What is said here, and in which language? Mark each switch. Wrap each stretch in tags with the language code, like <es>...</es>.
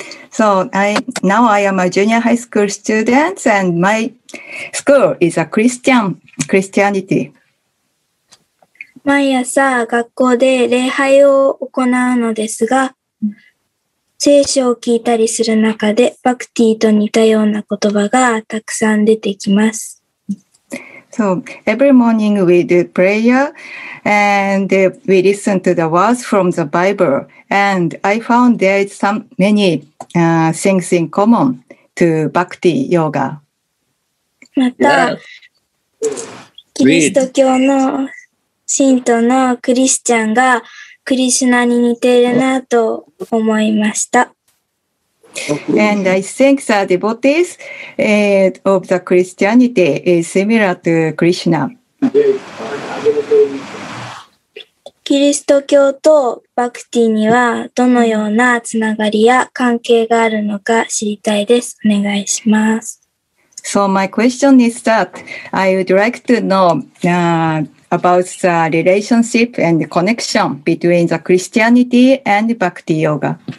<en>So, now I am a junior high school student and my school is a Christianity.</en> <ja>毎朝学校で礼拝を行うのですが、聖書を聞いたりする中でバクティと似たような言葉がたくさん出てきます。</ja> <en>So, every morning we do prayer and we listen to the words from the Bible and I found there is some many things in common to Bhakti Yoga.</en> <ja>また、キリスト教の信徒のクリスチャンがクリシュナに似ているなと思いました。</ja> <en>And I think the devotees of the Christianity is similar to Krishna.</en> <ja>キリスト教とバクティにはどのようなつながりや関係があるのか知りたいです。お願いします。</ja> <en>So my question is that I would like to know about the relationship and the connection between the Christianity and Bhakti Yoga.</en>